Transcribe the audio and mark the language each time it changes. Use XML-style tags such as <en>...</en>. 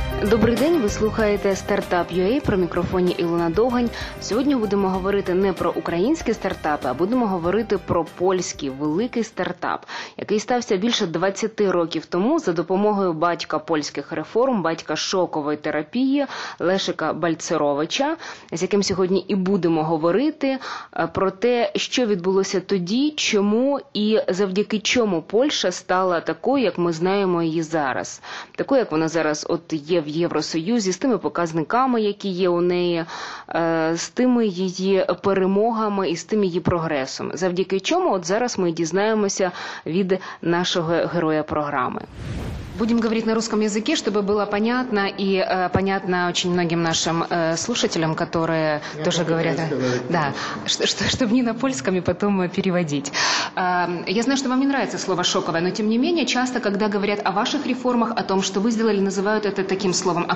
<uk>Добрий день, ви слухаєте Startup.ua, про мікрофоні Ілона Довгань. Сьогодні будемо говорити не про українські стартапи, а будемо говорити про польський великий стартап, який стався більше 20 років тому за допомогою батька польських реформ, батька шокової терапії Лешика Бальцеровича, з яким сьогодні і будемо говорити про те, що відбулося тоді, чому і завдяки чому Польща стала такою, як ми знаємо її зараз. Такою, як вона зараз от є в Євросоюзі, з тими показниками, які є у неї, з тими її перемогами і з тим її прогресом. Завдяки чому от зараз ми дізнаємося від нашого героя програми.</uk> <ru>Будем говорить на русском языке, чтобы было понятно и понятно очень многим нашим слушателям, которые говорят, чтобы не на польском и потом переводить. Я знаю, что вам не нравится слово «шоковое», но тем не менее, часто, когда говорят о ваших реформах, о том, что вы сделали, называют это таким словом.</ru>